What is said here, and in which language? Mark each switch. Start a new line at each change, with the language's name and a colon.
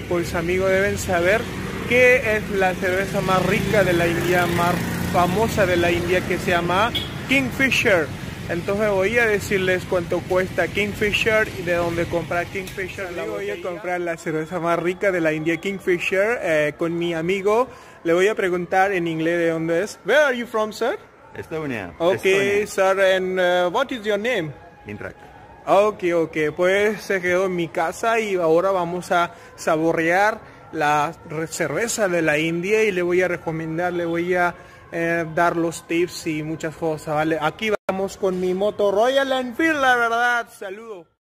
Spanish: Pues amigos, deben saber qué es la cerveza más rica de la India, más famosa de la India, que se llama Kingfisher. Entonces voy a decirles cuánto cuesta Kingfisher y de dónde comprar Kingfisher. Le voy a comprar la cerveza más rica de la India, Kingfisher, con mi amigo. Le voy a preguntar en inglés de dónde es.
English: Where are you from, sir? Estonia. Okay, sir, and what is your name? Indrak. Okay.
Spanish: Pues se quedó en mi casa y ahora vamos a saborear la cerveza de la India y le voy a dar los tips y muchas cosas, ¿vale? Aquí va. Vamos con mi moto Royal Enfield, la verdad. Saludo.